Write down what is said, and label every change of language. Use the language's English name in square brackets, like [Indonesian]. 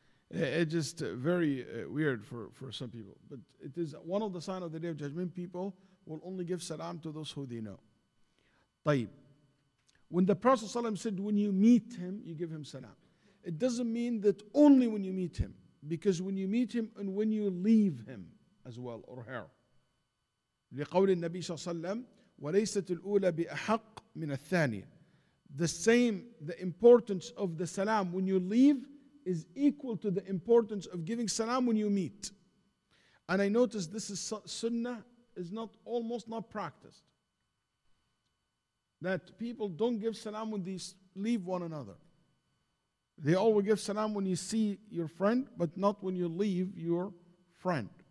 [English] It's just very weird for some people. But it is one of the signs of the Day of Judgment. People will only give salam to those who they know. Tayyib. When the Prophet ﷺ said, when you meet him, you give him salam. It doesn't mean that only when you meet him. Because when you meet him and when you leave him as well or her, [Arabic] لقول النبي صلى الله عليه وسلم وليست الأولى بأحق من الثانية. [English] The same, the importance of the salam when you leave is equal to the importance of giving salam when you meet. And I noticed this is sunnah is not almost not practiced. That people don't give salam when they leave one another. They always give salam when you see your friend, but not when you leave your friend.